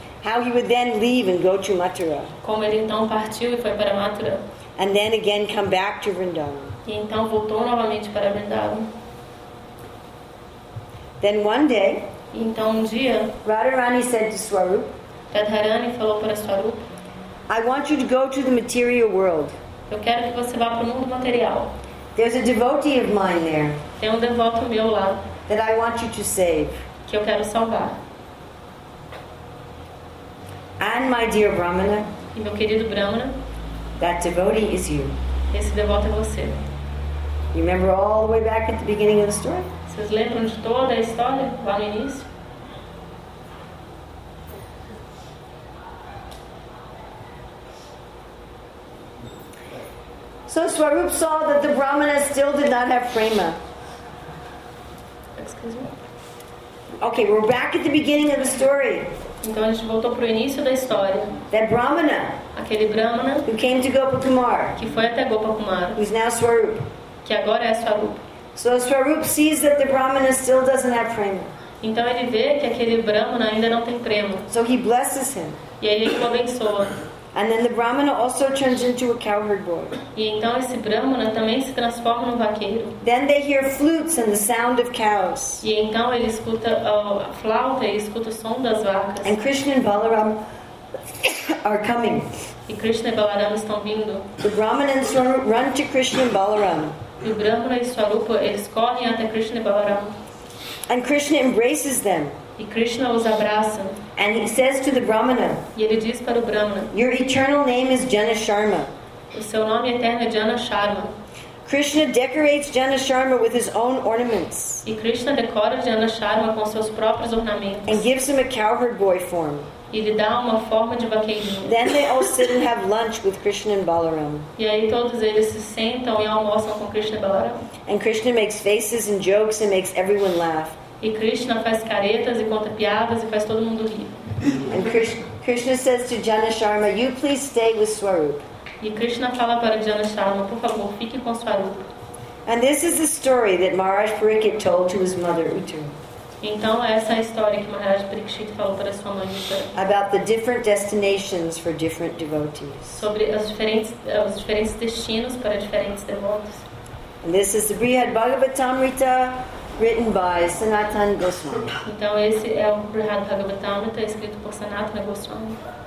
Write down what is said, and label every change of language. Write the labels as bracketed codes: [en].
[en] How he would then leave and go to Mathura. [pt] Como ele então partiu e foi para Mathura. [en] And then again come back to Vrindavan. [pt] E então voltou novamente para Vrindavan. [en] Then one day, [pt] então um dia, [en] Radharani said to Swarup, [pt] Radharani falou para Swarup, [en] "I want you to go to the material world." [pt] Eu quero que você vá para o mundo material. [en] There's a devotee of mine there. [pt] Tem um devoto meu lá. [en] That I want you to save. [pt] Que eu quero salvar. [en] And my dear Brahmana. [pt] E meu querido Brahmana. [en] That devotee is you. [pt] Esse devoto é você. [en] You remember all the way back at the beginning of the story? [pt] Vocês lembram de toda a história lá no início? [en] So Swarup saw that the Brahmana still did not have prema. Excuse me. Okay, we're back at the beginning of the story. [pt] Então a gente voltou pro início da história. [en] That Brahmana, [pt] aquele Brahmana, [en] who came to Gopakumar, [pt] que foi até Gopakumar, [en] who is now Swarup, [pt] que agora é Swarup. [en] So Swarup sees that the Brahmana still doesn't have prema. [pt] Então ele vê que aquele Brahmana ainda não tem prema. [en] So he blesses him. [pt] E aí ele o abençoa. [en] And then the Brahmana also turns into a cowherd boy. [pt] E então esse Brahmana também se transforma num vaqueiro. [en] Then they hear flutes and the sound of cows. [pt] E então ele escuta a flauta e escuta o som das vacas. [en] And Krishna and Balaram are coming. [pt] E Krishna e Balaram estão vindo. [en] The Brahmana and Swarupa run to Krishna and Balaram. [pt] E o Brahmana e Swarupa, eles correm até Krishna e Balaram. [en] And Krishna embraces them. [pt] E Krishna os abraça. [en] And he says to the Brahmana, [pt] e ele diz para o Brahmana, [en] your eternal name is Janasharma. [pt] O seu nome eterno é Janasharma. [en] Krishna decorates Janasharma with his own ornaments. [pt] E Krishna decora Janasharma com seus próprios ornamentos. [en] And gives him a cowherd boy form. [pt] E lhe dá uma forma de vaqueirinho. [en] Then they all sit and have lunch with Krishna and Balaram. [pt] E aí todos eles se sentam e almoçam com Krishna e Balaram. [en] And Krishna makes faces and jokes and makes everyone laugh. [pt] E Krishna faz caretas e conta piadas e faz todo mundo rir. [en] And Krishna says to Janasharma, you please stay with Swarup. [pt] E Krishna fala para Janasharma, por favor, fique com Swarup. [en] And this is the story that Maharaj Parikshit told to his mother Uttara. [pt] Então essa é a história que Maharaj Parikshit falou para sua mãe Uttara. [en] About the different destinations for different devotees. [pt] Sobre os diferentes destinos para diferentes devotos. [en] And this is the Brihad Bhagavatamrita, written by Sanatan Goswami. [pt] Então esse é o Brihad Bhagavatamrita escrito por Sanatana Goswami.